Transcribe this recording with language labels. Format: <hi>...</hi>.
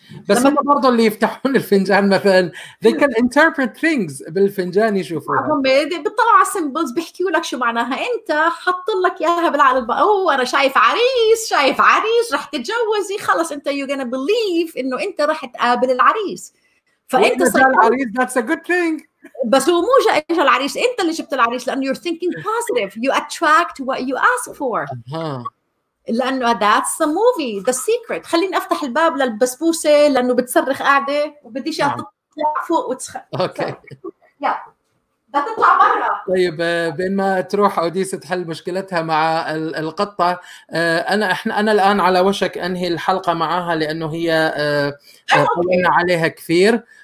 <ar>بس هم برضو اللي يفتحون الفنجان مثلاً</ar> <en>they can interpret things</en> <ar>بالفنجان يشوفوها. هم بيطلعوا على symbols بيحكيوا لك شو معناها، انت حط لك ياها بالعقل. انا شايف عريس رح تتجوزي، خلص انت</ar> <en>you gonna believe</en> <ar>انه انت رح تقابل العريس. فانت صار العريس</ar> <en>that's a good thing.</en> <ar>بس هو مو جاء العريس، انت اللي جبت العريس، لأن</ar> <en>you're thinking positive you attract what you ask for.</en> <ar>لأنه</ar> <en>that's the movie the secret.</en> <ar>خليني أفتح الباب للبسبوسة لأنه بتصرخ قاعدة وبديش أطلع فوق وتسخ. أوكي يلا بتطلع برا. طيب بينما تروح أوديس تحل مشكلتها مع القطة، أنا الآن على وشك أنهي الحلقة معها لأنه هي طولنا عليها كثير.</ar>